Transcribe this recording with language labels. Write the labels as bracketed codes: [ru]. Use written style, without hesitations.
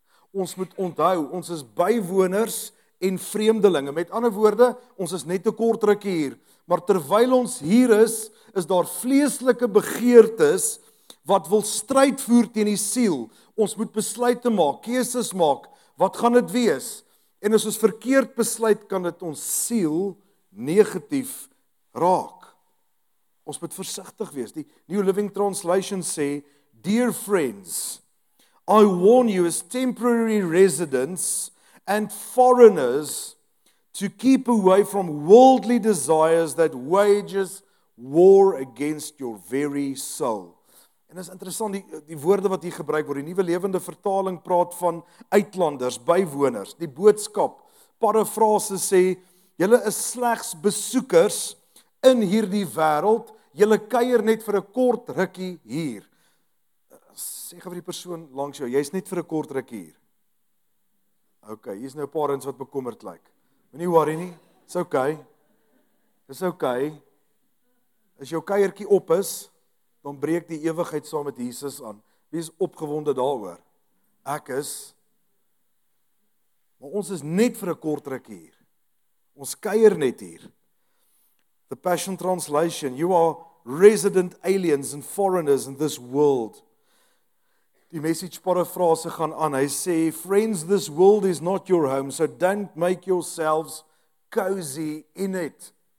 [af] Ons moet onthou, ons is bywoners en vreemdelinge. Met ander woorde, ons is net 'n kort rukkie hier. Maar terwyl ons hier is, is daar vleeslike begeertes wat wil stryd voer teen die siel. Ons moet besluite maak, keuses maak. Wat gaan dit wees? En as ons verkeerd besluit, kan dit ons siel negatief raak. Ons moet versigtig wees. Die New Living Translation sê, [en] dear friends, I warn you as temporary residents and foreigners to keep away from worldly desires that wages war against your very soul. [af] En is interessant, die woorde wat hier gebruik word, die Nuwe Lewende Vertaling praat van uitlanders, bywoners, die boodskap, parafrase sê, julle is slegs besoekers in hierdie wêreld, julle kuier net vir 'n kort rukkie hier. Sê gou vir die persoon langs jou, jy's net vir 'n kort rukkie hier. Ok, hier is nou paar ons wat bekommerd lyk. Moenie worry nie, is ok. Is ok. As jou kuiertjie op is, dan breek die ewigheid saam met Jesus aan. Wees opgewonde daaroor. Ek is. Maar ons is net vir 'n kort rukkie hier. Ons kuier net hier. [en] The Passion Translation, you are resident aliens and foreigners in this world. [af] Die message parafrase gaan aan. Hy sê, [en] friends, this world is not your home, so don't make yourselves cozy in it.